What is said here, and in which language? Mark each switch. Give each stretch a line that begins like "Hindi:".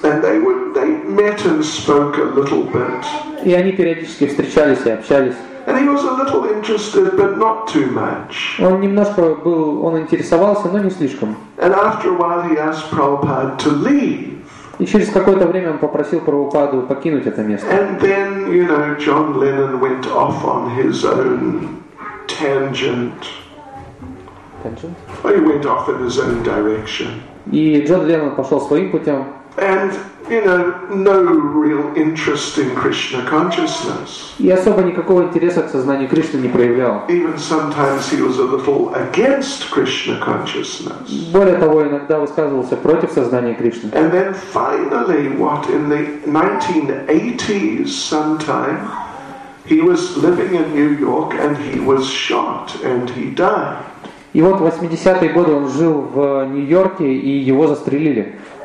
English: And they met and spoke a little bit.
Russian: И они периодически встречались и общались.
English: And he was a little interested, but not too much.
Russian: Он немножко был, он интересовался, но не слишком.
English: And after a while, he asked Prabhupada to leave.
Russian: И через какое-то время он попросил Прабхупаду покинуть это место.
English: And then, you know, John Lennon went off on his own tangent. Tangent? Well, he went off in his own direction.
Russian: И Джон Леннон пошел своим путем.
English: And you know, no real interest in Krishna consciousness.
Russian: И особо никакого интереса к сознанию Кришны не проявлял.
English: Even sometimes he was a little against Krishna consciousness.
Russian: Более того, иногда высказывался против сознания Кришны.
English: And then finally, what in the 1980s, sometime, he was living in New York and he was shot and he died.
Russian: И вот в 80-е годы он жил в Нью-Йорке, и его застрелили.